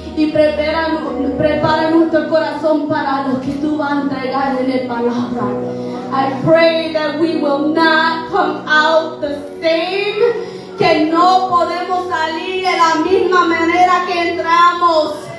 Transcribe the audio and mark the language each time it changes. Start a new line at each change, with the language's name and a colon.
Spanish: Y prepara nuestro corazón para lo que tú vas a entregar en la palabra.
English: I pray that we will not come out the same.
Spanish: Que no podemos salir de la misma manera que entramos.